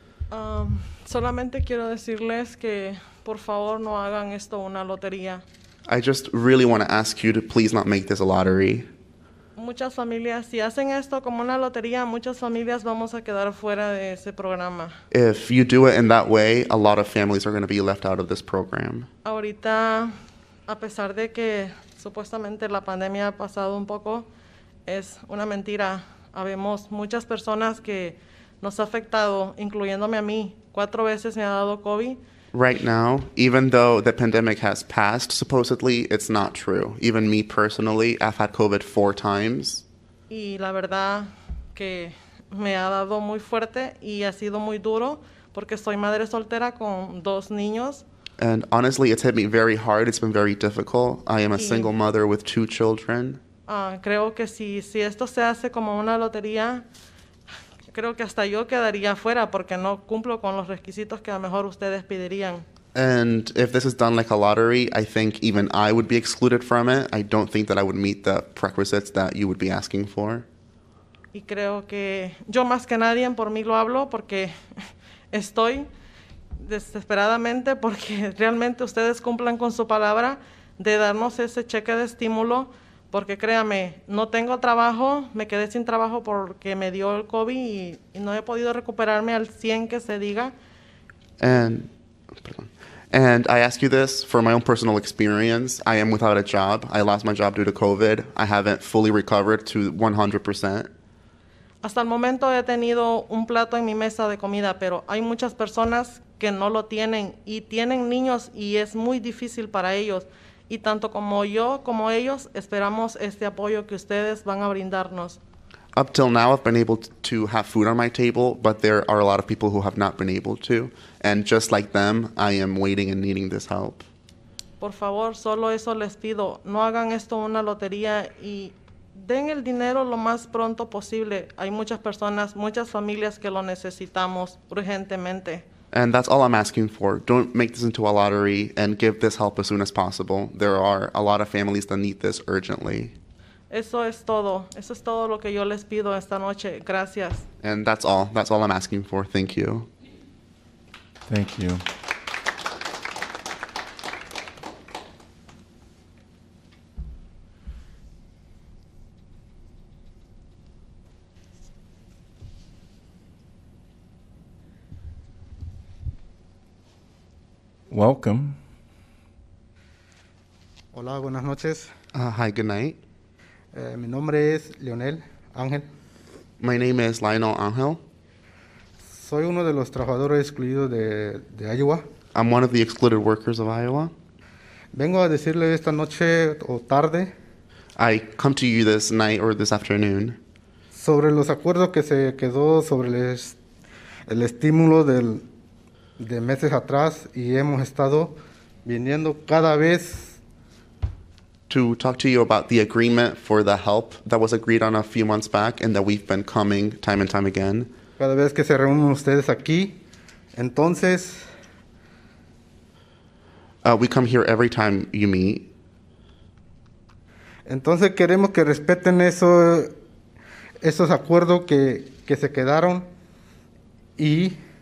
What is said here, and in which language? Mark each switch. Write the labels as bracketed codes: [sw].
[es] Solamente quiero decirles que por favor no hagan esto una lotería. [en] I just really want to ask you to please not make this a lottery. [es] Muchas familias, si hacen esto como una lotería, muchas familias vamos a quedar fuera de ese programa. [en] If you do it in that way, a lot of families are going to be left out of this program. [es] Ahorita, a pesar de que supuestamente la pandemia ha pasado un poco, es una mentira. Habemos muchas personas que nos ha afectado, incluyéndome a mí. Cuatro veces me ha dado COVID. [en] Right now, even though the pandemic has passed, supposedly, it's not true. Even me personally, I've had COVID 4 times. [es] Y la verdad que me ha dado muy fuerte y ha sido muy duro porque soy madre soltera con 2 niños. [en] And honestly, it's hit me very hard. It's been very difficult. I am a single mother with 2 children. [es] Creo que si esto se hace como una lotería, creo que hasta yo quedaría fuera porque no cumplo con los requisitos que a lo mejor ustedes pedirían. [en] And if this is done like a lottery, I think even I would be excluded from it. I don't think that I would meet the prerequisites that you would be asking for. [es] Y creo que yo más que nadie por mí lo hablo porque estoy desesperadamente porque realmente ustedes cumplan con su palabra de darnos ese cheque de estímulo. Porque créame, no tengo trabajo, me quedé sin trabajo porque me dio el COVID y no he podido recuperarme al 100 que se diga. [en] And I ask you this for my own personal experience. I am without a job. I lost my job due to COVID. I haven't fully recovered to 100%. [es] Hasta el momento he tenido un plato en mi mesa de comida, pero hay muchas personas que no lo tienen y tienen niños y es muy difícil para ellos. Y tanto como yo, como ellos, esperamos este apoyo que ustedes van a brindarnos. [en] Up till now, I've been able to have food on my table, but there are a lot of people who have not been able to. And just like them, I am waiting and needing this help. [es] Por favor, solo eso les pido. No hagan esto una lotería y den el dinero lo más pronto posible. Hay muchas personas, muchas familias que lo necesitamos urgentemente. [en] And that's all I'm asking for. Don't make this into a lottery and give this help as soon as possible. There are a lot of families that need this urgently. [es] Eso es todo. Eso es todo lo que yo les pido esta noche. Gracias. [en] And that's all. That's all I'm asking for. Thank you. Thank you. Welcome. [es] Hola, buenas noches. [en] Hi, good night. [es] Mi nombre es Leonel Ángel. [en] My name is Lionel Ángel. [es] Soy uno de los trabajadores excluidos de Iowa. [en] I'm one of the excluded workers of Iowa. [es] Vengo a decirle esta noche o tarde. [en] I come to you this night or this afternoon. [es] Sobre los acuerdos que se quedó sobre el estímulo de meses atrás y hemos estado viniendo cada vez. [en] To talk to you about the agreement for the help that was agreed on a few months back and that we've been coming time and time again. [es] Cada vez que se reúnen ustedes aquí, entonces. [en] We come here every time you meet. [es] Entonces queremos que respeten eso, esos acuerdos que se quedaron y.